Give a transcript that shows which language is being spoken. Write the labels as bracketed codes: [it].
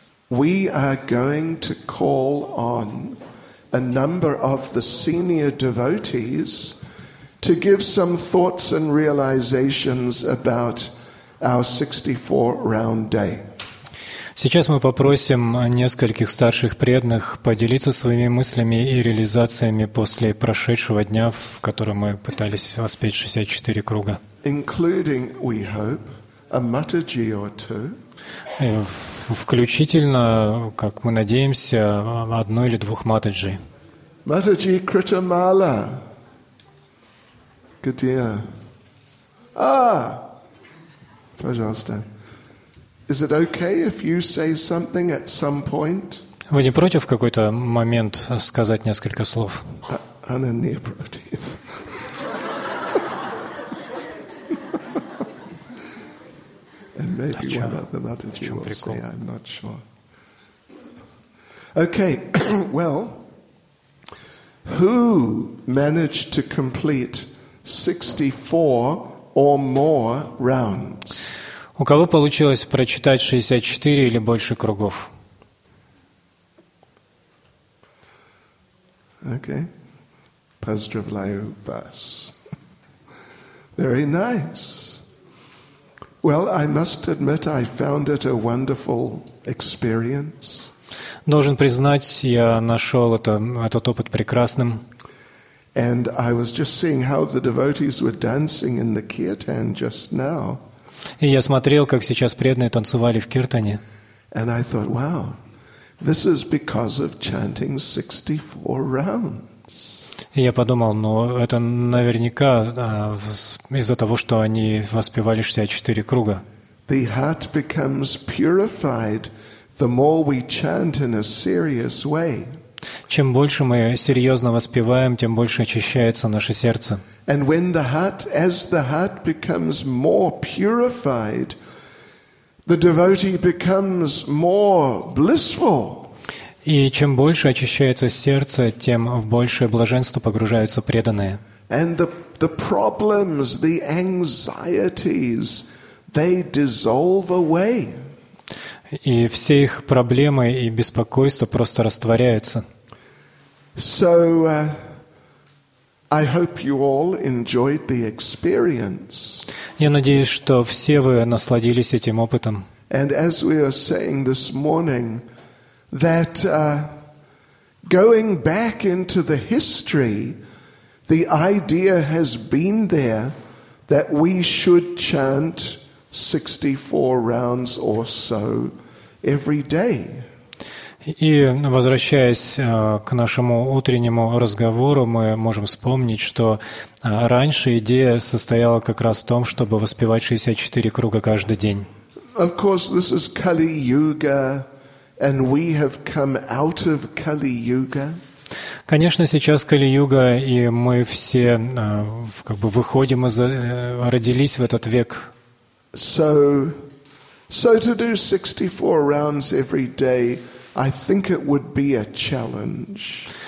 [en] We are going to call on a number of the senior devotees to give some thoughts and realizations about our 64-round day. [ru] Сейчас мы попросим нескольких старших преданных поделиться своими мыслями и реализациями после прошедшего дня, в котором мы пытались воспеть 64 круга. [en] Including, we hope, a mataji or two. [ru] Включительно, как мы надеемся, одну или двух матаджи. [en] Mataji Kritamala. Good dear. Ah! [ru] Пожалуйста. [en] Is it okay if you say something at some point? [ru] Вы не против в какой-то момент сказать несколько слов? Она не против. [en] And maybe one of the Mataji will say, I'm not sure. Okay, well, who managed to complete 64 or more rounds. [ru] У кого получилось прочитать 64 или больше кругов? Okay. Поздравляю вас. [en] Very nice. Well, I must admit I found it a wonderful experience. [ru] Должен признать, я нашел этот опыт прекрасным. [en] And I was just seeing how the devotees were dancing in the kirtan just now. [ru] И я смотрел, как сейчас преданные танцевали в киртане. [en] And I thought, wow, this is because of chanting 64 rounds. [ru] И я подумал, ну это наверняка из-за того, что они воспевали 64 круга. [en] The heart becomes purified the more we chant in a serious way. [ru] Чем больше мы серьезно воспеваем, тем больше очищается наше сердце. [en] And when the heart, as the heart becomes more purified, the devotee becomes more blissful. [ru] И чем больше очищается сердце, тем в большее блаженство погружаются преданные. [en] And the problems, the anxieties, they dissolve away. [ru] И все их проблемы и беспокойства просто растворяются. [en] So, I hope you all enjoyed the experience. [ru] Я надеюсь, что все вы насладились этим опытом. [en] And as we are saying this morning, that going back into the history, the idea has been there that we should chant 64 rounds or so every day. [ru] И возвращаясь к нашему утреннему разговору, мы можем вспомнить, что раньше идея состояла как раз в том, чтобы воспевать 64 круга каждый день. [en] Of course, this is Kali Yuga, And we have come out of Kali Yuga. [ru] Конечно, сейчас Кали-Юга, и мы все как бы выходим из, родились в этот век. [en] So to do 64 rounds every day, I think it would be a challenge.